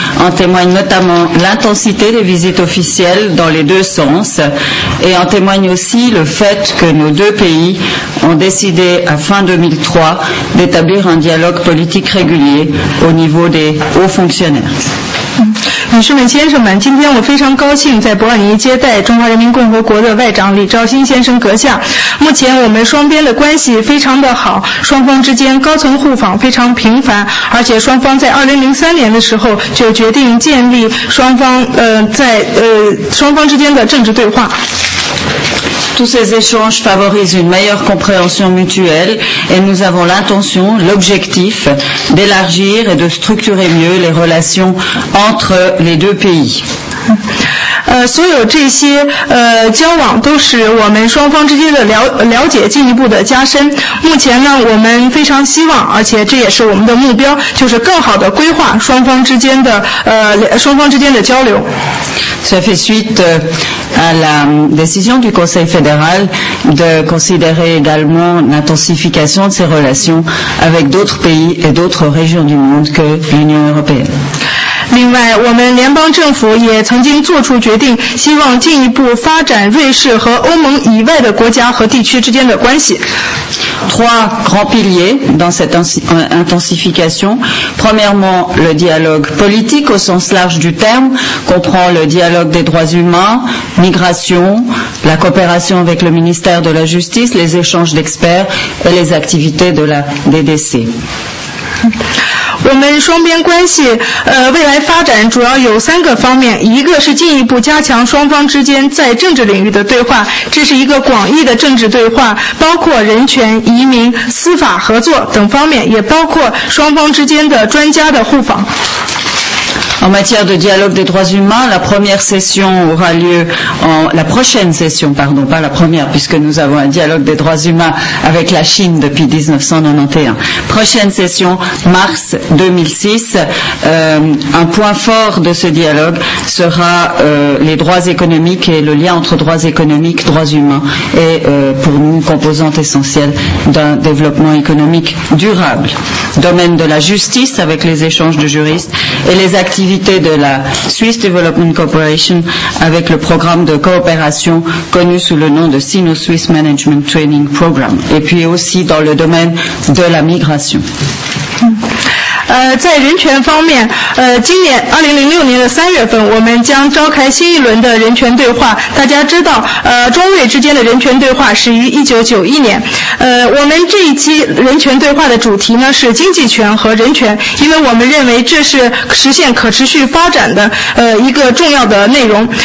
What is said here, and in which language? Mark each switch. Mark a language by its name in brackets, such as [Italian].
[French] En témoigne notamment l'intensité des visites officielles dans les deux sens, et en témoigne aussi le fait que nos deux pays ont décidé à fin 2003 d'établir un dialogue politique régulier au niveau des hauts fonctionnaires. Monsieur, Monsieur, Monsieur, [Chinese] 今天我非常高兴在伯尔尼接待中华人民共和国的外长李兆新先生阁下。目前我们双边的关系非常的好，双方之间高层互访非常频繁，而且双方在2003年的时候就决定建立双方之间的政治对话。 [French] Tous ces échanges favorisent une meilleure compréhension mutuelle et nous avons l'intention, l'objectif d'élargir et de structurer mieux les relations entre les deux pays. [Chinese] 所有这些交往都使我们双方之间的了解进一步的加深。目前呢，我们非常希望，而且这也是我们的目标，就是更好的规划双方之间的交流。 [French] Ça fait suite à la décision du Conseil fédéral de considérer également l'intensification de ses relations avec d'autres pays et d'autres régions du monde que l'Union européenne. [Chinese] 另外，我们联邦政府也曾经做出决定，希望进一步发展瑞士和欧盟以外的国家和地区之间的关系。 [French] Trois grands piliers dans cette intensification. Premièrement, le dialogue politique au sens large du terme comprend le dialogue des droits humains, migration, la coopération avec le ministère de la Justice, les échanges d'experts et les activités de la DDC. [Chinese] 我们双边关系未来发展主要有三个方面，一个是进一步加强双方之间在政治领域的对话，这是一个广义的政治对话，包括人权、移民、司法合作等方面，也包括双方之间的专家的互访。 [French] En matière de dialogue des droits humains, la prochaine session, puisque nous avons un dialogue des droits humains avec la Chine depuis 1991. Prochaine session, mars 2006, un point fort de ce dialogue sera les droits économiques et le lien entre droits économiques, droits humains et pour nous, composante essentielle d'un développement économique durable. Domaine de la justice avec les échanges de juristes et les activités de la Swiss Development Corporation avec le programme de coopération connu sous le nom de Sino-Swiss Management Training Program et puis aussi dans le domaine de la migration. [Chinese] 在人权方面，今年2006年的3月份，我们将召开新一轮的人权对话。大家知道，中瑞之间的人权对话始于1991年。我们这一期人权对话的主题呢是经济权和人权，因为我们认为这是实现可持续发展的一个重要的内容。